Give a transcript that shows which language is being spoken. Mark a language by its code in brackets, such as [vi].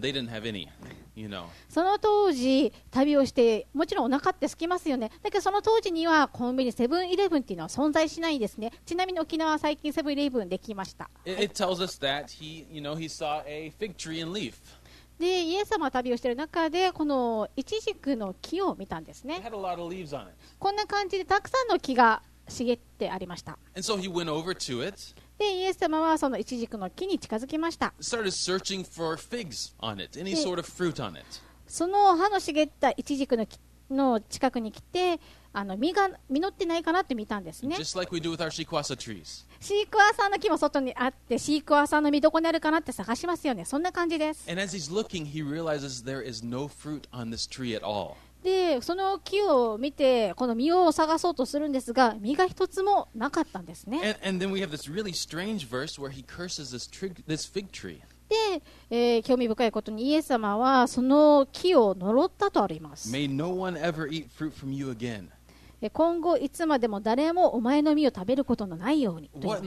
[en] They didn't have any, you know. [ja] その当時旅をしてもちろんお腹ってすきますよね。だけどその当時にはコンビニセブンイレブンっていうのは存在しないんですね。ちなみに沖縄は最近セブンイレブンできました。 [en] It tells us that he, you know, he saw a fig tree and leaf. [ja] でイエス様は旅をしている中でこのイチジクの木を見たんですね。こんな感じでたくさんの木が茂ってありました。 [en] So、 [ja] でイエス様はそのイチジクの木に近づきました。 [en] It, sort of [ja] その葉の茂ったイチジクの木の近くに来て、あの実が実ってないかなって見たんですね。 [en] Just like we do with our shikwasa trees. [ja] シークワーサーの木も外にあって、シークワーサーの実どこにあるかなって探しますよね。そんな感じです。 [en] And as he's looking, he realizes there is no fruit on this tree at all. [ja] で、その木を見て、この実を探そうとするんですが、実が一つもなかったんですね。 [en] And then we have this really strange verse where he curses this fig tree. [ja] で、興味深いことにイエス様はその木を呪ったとあります。 [en] May no one ever eat fruit from you again. [ja] 今後いつまでも誰もお前の実を食べることのないようにと言いました。